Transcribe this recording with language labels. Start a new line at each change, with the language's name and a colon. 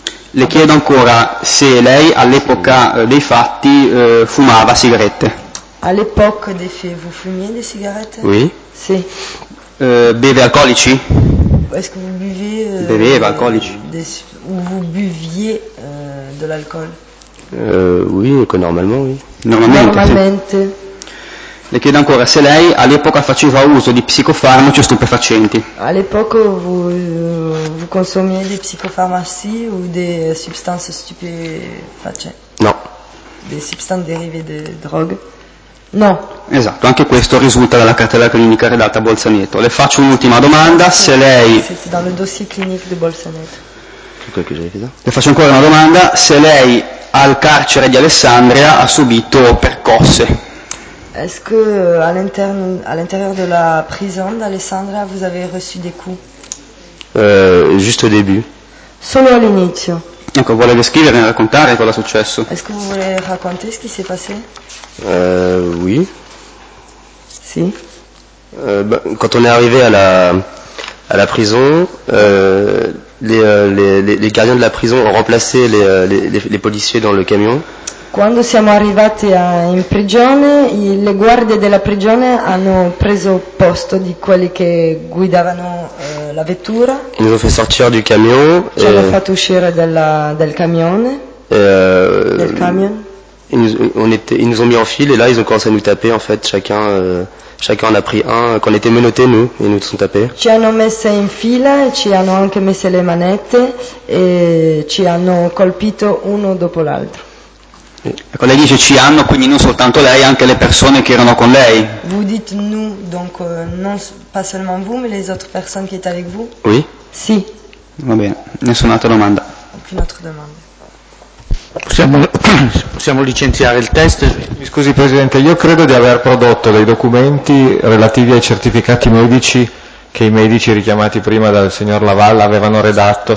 Italian: Le chiedo ancora se lei all'epoca dei fatti fumava sigarette.
French: À l'époque des faits, vous fumiez des cigarettes? Oui.
Italian: Si. Bevez alcolici?
French: Est-ce que vous buvez...
Italian: Bevez alcolici.
French: Ou vous buviez de l'alcool? Oui, normalement, oui. Normalement.
Italian: Le chiedo ancora, se lei all'epoca faceva uso di psicofarmaci o stupefacenti?
French: À l'époque, vous consommiez des psicofarmaci ou des substances stupefacenti? Non. Des substances dérivées de drogue?
Italian: No. Esatto, anche questo risulta dalla cartella clinica redatta a Bolzaneto. Le faccio un'ultima domanda, se lei... Sì, dal dossier clinico di Bolzaneto. Le faccio ancora una domanda, se lei al carcere di Alessandria ha subito percosse.
French: Est-ce que à l'intérieur de la prison d'Alessandria vous avez reçu des coups? Juste au début.
Italian: Solo all'inizio. Ecco, vuole descrivere e raccontare cosa è successo?
French: Est-ce que vous voulez raconter ce qui s'est passé? Oui.
Italian: Si.
French: Quand on est arrivé à la prison, les gardiens de la prison ont remplacé les policiers dans le camion.
Italian: Quando siamo arrivati in prigione, le guardie della prigione hanno preso posto di quelli che guidavano la vettura.
French: Ils nous ont fait sortir du camion.
Italian: Ci hanno fatto uscire del camione. Del camion.
French: Ils nous ont mis en file et là ils ont commencé à nous taper en fait, chacun en a pris un, qu'on était menottés nous, et nous sont tapés.
Italian: Ci hanno messo in fila, ci hanno anche messo le manette e ci hanno colpito uno dopo l'altro. Ecco, lei dice ci hanno, quindi non soltanto lei, anche le persone che erano con lei.
French: Vous dites nous, donc non pas seulement vous, mais les autres personnes qui étaient avec vous. Oui.
Italian: Si. Va bene, nessun'altra domanda.
French: Ok. une autre demande.
Italian: Possiamo licenziare il test? Mi scusi Presidente, io credo di aver prodotto dei documenti relativi ai certificati medici che i medici richiamati prima dal signor Laval avevano redatto.